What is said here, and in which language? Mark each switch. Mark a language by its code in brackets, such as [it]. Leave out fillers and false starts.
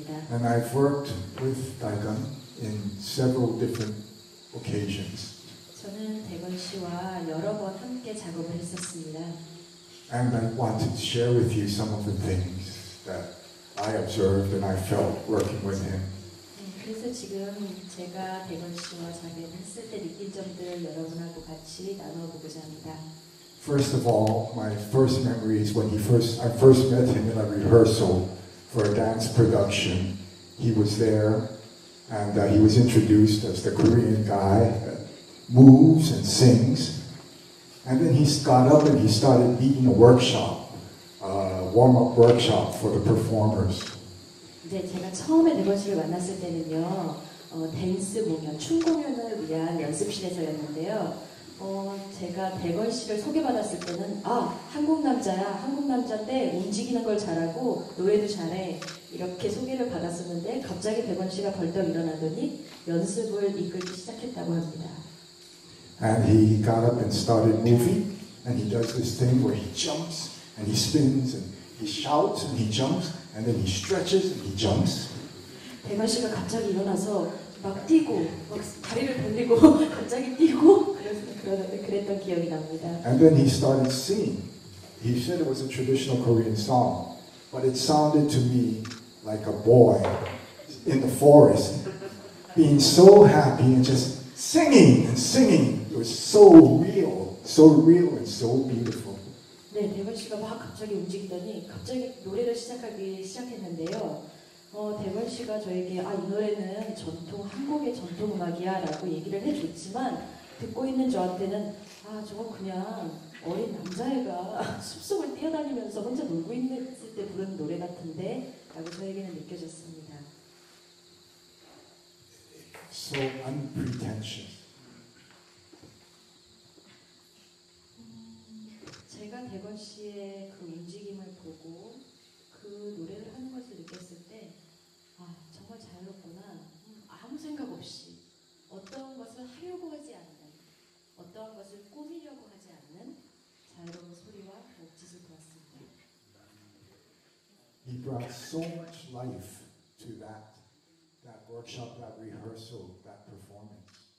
[en] And I've worked with Daegun in several different occasions. [ko] 저는 대건 씨와 여러 번 함께 작업을 했었습니다. [en] And I wanted to share with you some of the things that I observed and I felt working with him. [ko] 그래서 지금 제가 대건 씨와 작업했을 때 느낀 점들 여러분하고 같이 나눠보고자 합니다. [en] First of all, my first memory is when I first met him in a rehearsal for a dance production. He was there, and he was introduced as the Korean guy that moves and sings. And then he got up and he started leading a workshop, a warm-up workshop for the performers. [ko] 네, 제가 처음에 대건 씨를 만났을 때는요, 댄스 공연, 춤 공연을 위한 연습실에서였는데요. 제가 대건 씨를 소개받았을 때는 아, 한국 남자야, 한국 남자인데 움직이는 걸 잘하고 노래도 잘해 이렇게 소개를 받았었는데 갑자기 대건 씨가 벌떡 일어나더니 연습을 이끌기 시작했다고 합니다. [en] And he got up and started moving, and he does this thing where he jumps and he spins and he shouts and he jumps. And then he stretches and he jumps. [ko] 대건 씨가 갑자기 일어나서 막 뛰고 막 다리를 돌리고 갑자기 뛰고 그랬던 기억이 납니다. [en] And then he started singing. He said it was a traditional Korean song, but it sounded to me like a boy in the forest being so happy and just singing and singing. It was so real and so beautiful. [ko] 네, 대건 씨가 막 갑자기 움직이더니 갑자기 노래를 시작하기 시작했는데요. 대건 씨가 저에게 아, 이 노래는 전통 한국의 전통 음악이야라고 얘기를 해줬지만 듣고 있는 저한테는 아, 저거 그냥 어린 남자애가 숲속을 뛰어다니면서 혼자 놀고 있을 때 부르는 노래 같은데라고 저에게는 느껴졌습니다. [en] So unpretentious. [ko] 제가 대건 씨의 그 움직임을 보고 그 노래를 하는 것을 느꼈을 때 아, 정말 자유롭구나. 아무 생각 없이 어떤 것을 하려고 하지 않는 어떤 것을 꾸미려고 하지 않는 자유로운 소리와 목짓을 보았습니다. [en] He brought so much life to that workshop, that rehearsal, that performance.